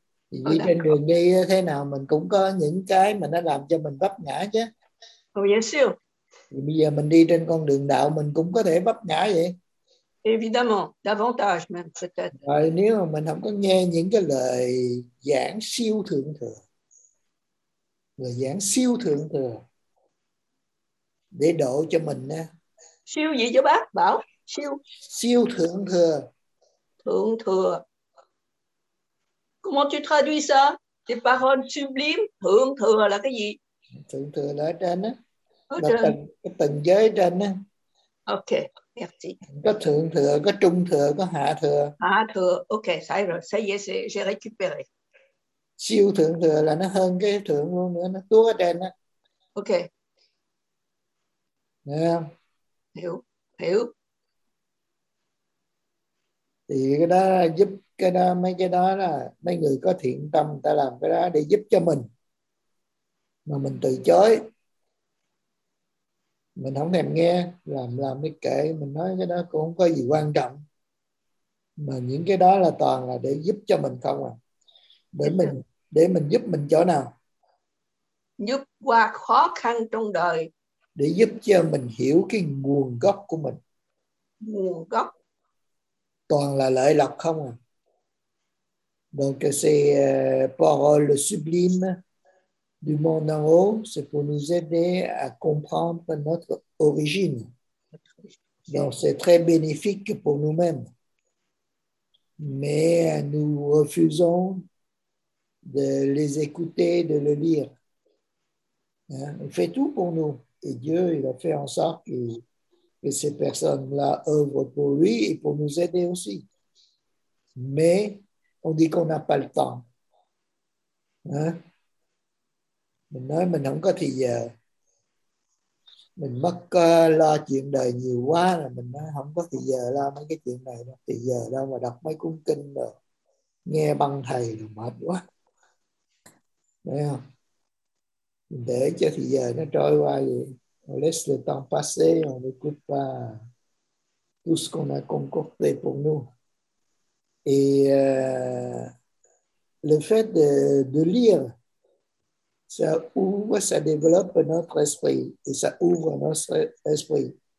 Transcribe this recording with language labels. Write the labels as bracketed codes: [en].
[vi] Đi trên đường đi thế nào mình cũng có những cái mà nó làm cho mình vấp ngã chứ. [fr] Oh, bien sûr. [vi] Thì bây giờ mình đi trên con đường đạo mình cũng có thể vấp ngã vậy. [fr] Évidemment, davantage même peut-être. [vi] Rồi, nếu mà mình không có nghe những cái lời giảng siêu thượng thừa, lời giảng siêu thượng thừa để độ cho mình nè. Siêu gì cho bác bảo? Siêu. Siêu thượng thừa. [fr] Thượng thừa. Comment tu traduis ça? Des paroles sublimes. [vi] Thượng thừa là cái gì? Thượng thừa là trên á. Là tầng, cái tầng giới trên á. [fr] Ok, merci. [vi] Có thượng thừa, có trung thừa, có hạ thừa. [fr] Hạ thừa, ok, ça y est, j'ai récupéré. [vi] Siêu thượng thừa là nó hơn cái thượng luôn nữa, nó tua trên á. Ok. Yeah. Hiểu, hiểu. Thì cái đó giúp cái đó, mấy cái đó là mấy người có thiện tâm ta làm cái đó để giúp cho mình, mà mình từ chối, mình không thèm nghe, làm cái kệ, mình nói cái đó cũng không có gì quan trọng, mà những cái đó là toàn là để giúp cho mình không à, để mình giúp mình chỗ nào, giúp qua khó khăn trong đời, để giúp cho mình hiểu cái nguồn gốc của mình. Nguồn gốc toàn là lợi lộc không à. [fr] Donc c'est parole sublime du monde en haut, c'est pour nous aider à comprendre notre origine. Donc c'est très bénéfique pour nous-mêmes. Mais nous refusons de les écouter, de le lire. Hein? Il fait tout pour nous. Et Dieu, il a fait en sorte que ces personnes-là œuvrent pour lui et pour nous aider aussi. Mais on dit qu'on n'a pas le temps. Hein? [vi] Mình nói mình không có thì giờ. Mình mất lo chuyện đời nhiều quá là mình nói không có thì giờ lo mấy cái chuyện này. Thì giờ đâu mà đọc mấy cuốn kinh rồi. Nghe băng thầy là mệt quá. Đấy không? Để cho thì giờ nó trôi qua vậy. [fr] On laisse le temps passer, on n'écoute pas tout ce qu'on a concocté pour nous. Et le fait de lire, ça ouvre, ça développe notre esprit et ça ouvre notre esprit.